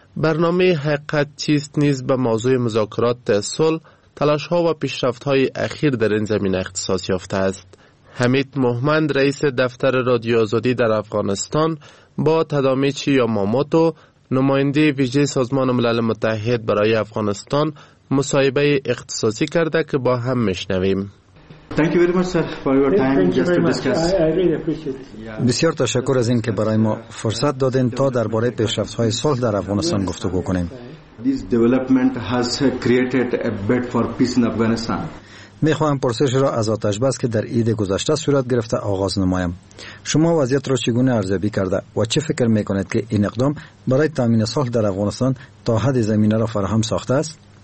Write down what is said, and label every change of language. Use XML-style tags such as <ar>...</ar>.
<fa>برنامه حقیقت چیست نیز به موضوع مذاکرات صلح، تلاش ها و پیشرفت های اخیر در این زمینه اختصاص یافته است. حمید مهمند رئیس دفتر رادیو آزادی در افغانستان با تادامیچی یاماموتو نماینده ویژه سازمان ملل متحد برای افغانستان مصاحبه اختصاصی کرده که با هم میشنویم.</fa> <en>Thank you very much sir for your time just to discuss.</en> <fa>بسیار تشکر از این که برای ما فرصت دادین تا درباره پیشرفت‌های صلح در افغانستان گفتگو کنیم.</fa> <en>This development has created a bed for peace in Afghanistan.</en> <fa>می خواهم پرسش را از آتش بس که در عید گذشته صورت گرفته آغاز نمایم. شما وضعیت را چگونه ارزیابی کرده و چه فکر می کنید که این اقدام برای تامین صلح در افغانستان تا حد زمینه را فراهم ساخته است؟</fa>